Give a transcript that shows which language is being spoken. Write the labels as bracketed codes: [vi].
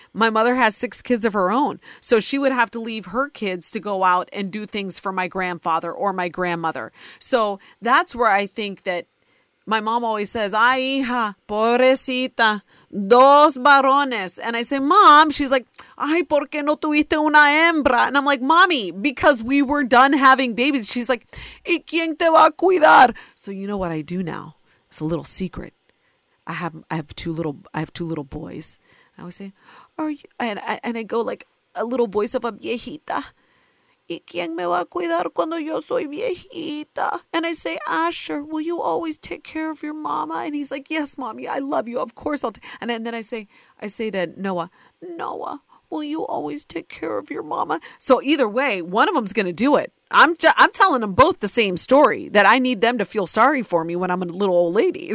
[en] My mother has six kids of her own, so she would have to leave her kids to go out and do things for my grandfather or my grandmother. So that's where I think that my mom always says, [es] ay, hija, pobrecita, dos varones. [en] And I say, mom, she's like, [es] ay, ¿por qué no tuviste una hembra? [en] And I'm like, mommy, because we were done having babies. She's like, [es] ¿y quién te va a cuidar? [en] So you know what I do now? It's a little secret. I have two little boys. And I always say, are you? And I go like a little voice of a viejita. [es] ¿Y quién me va a cuidar cuando yo soy viejita? [en] And I say, Asher, will you always take care of your mama? And he's like, yes, mommy, I love you. Of course I'll. And then I say to Noah, Noah, will you always take care of your mama? So either way, one of them's going to do it. I'm telling them both the same story, that I need them to feel sorry for me when I'm a little old lady.